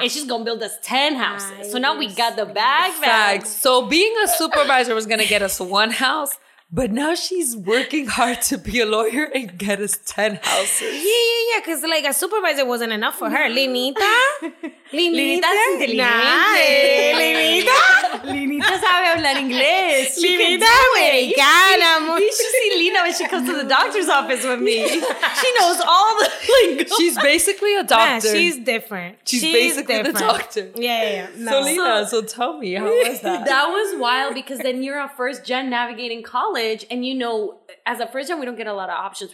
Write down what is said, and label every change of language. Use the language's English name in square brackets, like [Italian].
[English] And she's going to build us 10 houses. Nice. So now we got the bag. Facts. So being a supervisor was going to get us one house. But now she's working hard to be a lawyer and get us 10 houses. Yeah. Because, like, a supervisor wasn't enough for her. Linita? Linita's [Spanish] inteligente. Linita? Linita sabe hablar inglés. Linita americana. [English] You should see Lina when she comes to the doctor's office with me. She knows all the lingo. She's basically a doctor. Nah, she's different. She's basically the doctor. Yeah. No. So, Lina, so tell me, how was that? That was wild because then you're a first gen navigating college. College, and you know, as a first gen, we don't get a lot of options.